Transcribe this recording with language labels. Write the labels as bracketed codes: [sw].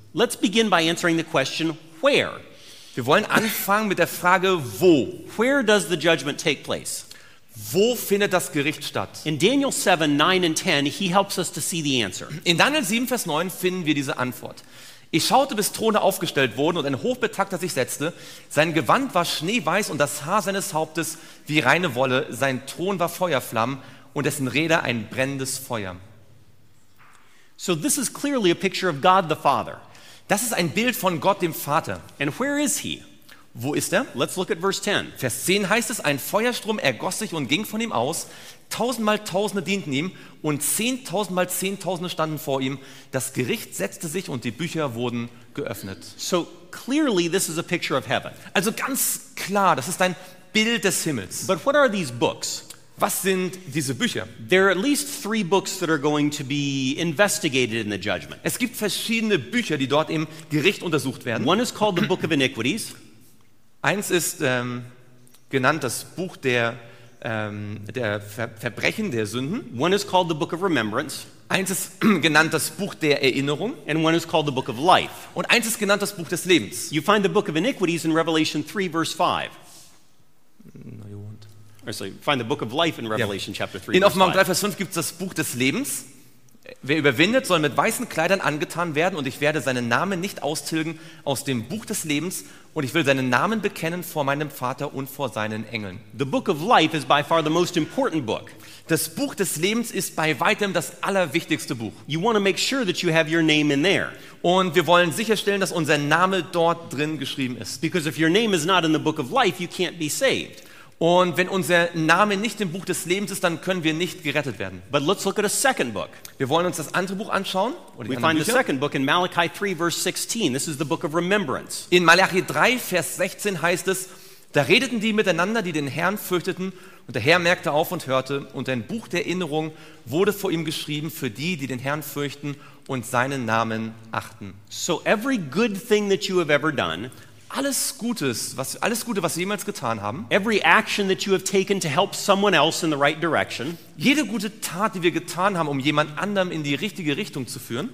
[en] Let's begin by answering the question where. [de] Wir wollen anfangen mit der Frage wo. [en] Where does the judgment take place? [de] Wo findet das Gericht statt? [en] In Daniel 7, 9 and 10, he helps us to see the answer. [de] In Daniel 7, Vers 9 finden wir diese Antwort. Ich schaute, bis Throne aufgestellt wurden und ein Hochbetagter sich setzte. Sein Gewand war schneeweiß und das Haar seines Hauptes wie reine Wolle. Sein Thron war Feuerflammen und dessen Räder ein brennendes Feuer. [en] So this is clearly a picture of God the Father. [de] Das ist ein Bild von Gott dem Vater. [en] And where is he? [de] Wo ist er? [en] Let's look at verse 10. [de] Vers 10 heißt es, ein Feuerstrom ergoss sich und ging von ihm aus. Tausendmal Tausende dienten ihm und zehntausendmal Zehntausende standen vor ihm. Das Gericht setzte sich und die Bücher wurden geöffnet. [en] So clearly this is a picture of heaven. [de] Also ganz klar, das ist ein Bild des Himmels. [en] But what are these books? [de] Was sind diese Bücher? [en] There are at least three books that are going to be investigated in the judgment. [de] Es gibt verschiedene Bücher, die dort im Gericht untersucht werden. [en] One is called the Book of Iniquities. [de] Eins ist genannt das Buch der Verbrechen, der Sünden. [en] One is called the Book of Remembrance. [de] Eins ist genannt das Buch der Erinnerung. [en] And one is called the Book of Life. [de] Und eins ist genannt das Buch des Lebens. [en] You find the Book of Iniquities in Revelation 3, verse 5. So you find the book of life in Revelation chapter 3. [de] In Offenbarung 3 Vers 5 gibt's das Buch des Lebens. Wer überwindet, soll mit weißen Kleidern angetan werden und ich werde seinen Namen nicht austilgen aus dem Buch des Lebens und ich will seinen Namen bekennen vor meinem Vater und vor seinen Engeln. [en] The book of life is by far the most important book. [de] Das Buch des Lebens ist bei weitem das allerwichtigste Buch. [en] You want to make sure that you have your name in there. [de] Und wir wollen sicherstellen, dass unser Name dort drin geschrieben ist. [en] Because if your name is not in the book of life, you can't be saved. [de] Und wenn unser Name nicht im Buch des Lebens ist, dann können wir nicht gerettet werden. [en] But let's look at a second book. [de] Wir wollen uns das andere Buch anschauen. [en] We find the second book in Malachi 3, verse 16. This is the book of remembrance. [de] In Malachi 3, Vers 16 heißt es, da redeten die miteinander, die den Herrn fürchteten, und der Herr merkte auf und hörte, und ein Buch der Erinnerung wurde vor ihm geschrieben für die, die den Herrn fürchten und seinen Namen achten. [en] So every good thing that you have ever done, [de] alles Gute, was Sie jemals getan haben. [en] Every action that you have taken to help someone else in the right direction. [de] Jede gute Tat, die wir getan haben, um jemand anderem in die richtige Richtung zu führen.